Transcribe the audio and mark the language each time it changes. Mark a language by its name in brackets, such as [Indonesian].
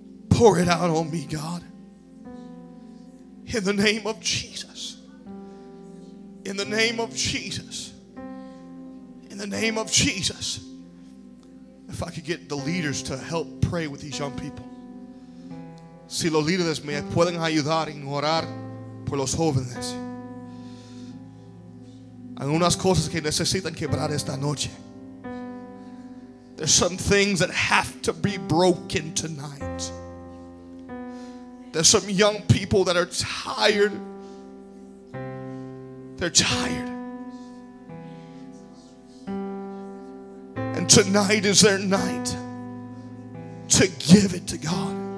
[English] Pour it out on me, God. In the name of Jesus. In the name of Jesus. In the name of Jesus. If I could get the leaders to help pray with these young people. [Spanish] Si los líderes me pueden ayudar en orar por los jóvenes. Hay unas cosas que necesitan quebrar esta noche. [English] There's some things that have to be broken tonight. There's some young people that are tired. They're tired. And tonight is their night to give it to God.